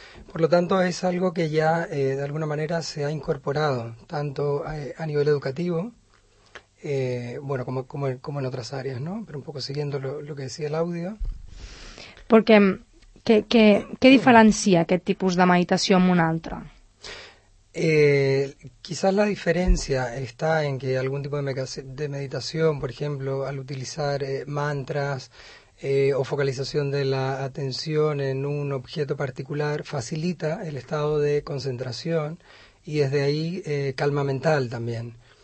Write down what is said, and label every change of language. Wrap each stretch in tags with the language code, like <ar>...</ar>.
<ca>Por lo tanto, es algo que ya de alguna manera se ha incorporado tanto a nivel educativo, bueno, como en otras áreas, ¿no? Pero un poco siguiendo lo que decía el audio.</ca> <es>Porque, ¿qué diferencia</es> <ca>aquest tipus de meditació amb una altra?</ca> <es>Quizás la diferencia está en que algún tipo de meditación, por ejemplo, al utilizar mantras o focalización de la atención en un objeto particular, facilita el estado de concentración y desde ahí calma mental también.</es>